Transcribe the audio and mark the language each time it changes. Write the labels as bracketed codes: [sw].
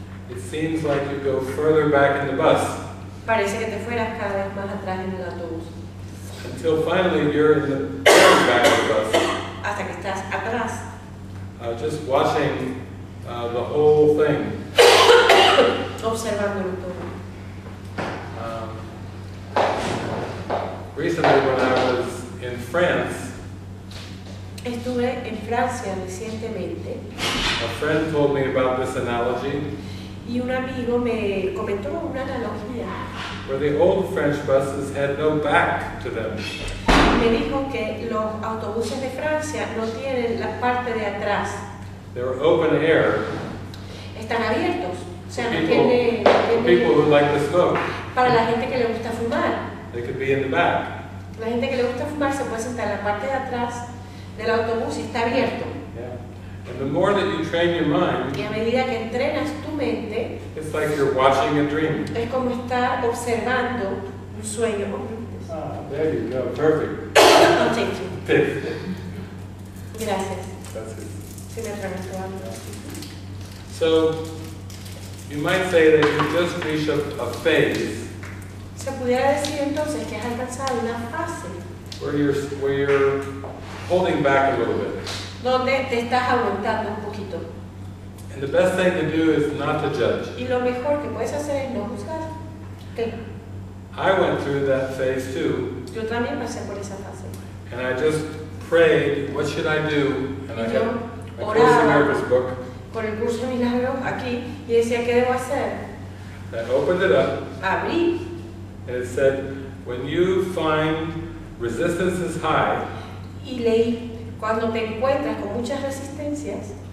[en] It seems like you go further back in the bus. [es] Parece que te fueras cada vez más atrás en el autobús. [en] Until finally you're in the back of the bus. [es] Hasta que estás atrás. [en] Just watching the whole thing. [es] Observándolo todo. [en] Recently when I was in France. [es] Estuve en Francia recientemente. [en] A friend told me about this analogy. [es] Y un amigo me comentó una analogía. [en] Where the old French buses had no back to them. [es] Me dijo que los autobuses de Francia no tienen la parte de atrás. [en] They were open air. [es] Están abiertos. O sea, no [en] people who like to smoke. [es] Para la gente que le gusta fumar. [en] They could be in the back. [es] La gente que le gusta fumar se puede sentar en la parte de atrás del autobús y está abierto. [en] Yeah. And the more that you train your mind, [es] y a medida que entrenas tu mente, [en] it's like you're watching a dream. [es] Es como estar observando un sueño. [en] There you go, perfect. Thank you. Perfect. [es] Gracias. [en] That's it. [es] Si me atravesó algo. [en] So, you might say that you just reach a phase. [es] Se pudiera decir entonces que has alcanzado una fase. [en] Where you're holding back a little bit. [es] Donde te estás aguantando un poquito. [en] And the best thing to do is not to judge. [es] Y lo mejor que puedes hacer es no juzgar. ¿Qué? [en] I went through that phase too. [es] Yo también pasé por esa fase. [en] And I just prayed, what should I do? And [es] yo [en] I had a Course in Miracles book. [es] Por el curso de milagro aquí y decía, ¿qué debo hacer? [en] I opened it up. [es] Abrí. [en] And it said, when you find resistance is high. [es] Y leí, cuando te encuentras con muchas resistencias,